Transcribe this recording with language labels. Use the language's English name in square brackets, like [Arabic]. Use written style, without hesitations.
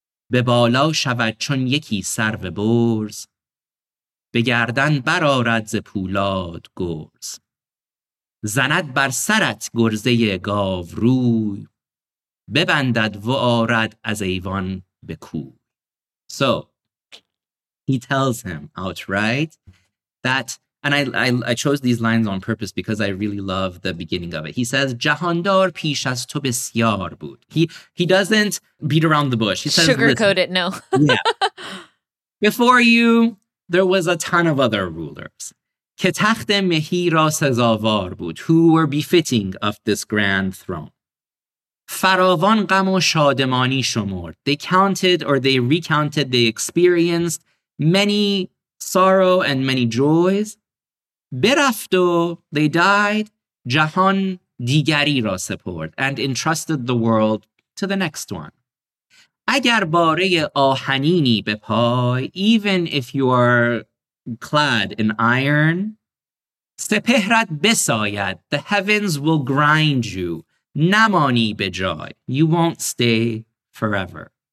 [Persian] به بالا شود چون یکی سر و برز، به گردن برآرد ز پولاد گرز. زند بر سرت گرزه گاو روی، ببندد و آرد از ایوان به کو." [English] So he tells him outright that, and I chose these lines on purpose because I really love the beginning of it. He says, [Persian] "Jahandar pish az to besyar bud." [English] He doesn't beat around the bush. He says, sugarcoat it, no. Yeah. "Before you, there was a ton of other rulers. [Persian] Ke takht mehi ra sazavar bud, [English] who were befitting of this grand throne. [Persian] فراوان غم و شادمانی شمرد. [English] They counted or they recounted, they experienced many sorrow and many joys. [Persian] برفت و [English] they died, [Persian] جهان دیگری را سپرد [English] and entrusted the world to the next one. [Persian] اگر باره آهنینی به پای, [English] even if you are clad in iron, [Persian] سپهرت بساید, [English] the heavens will grind you, [Persian] نمانی به جای, [English] you won't stay forever.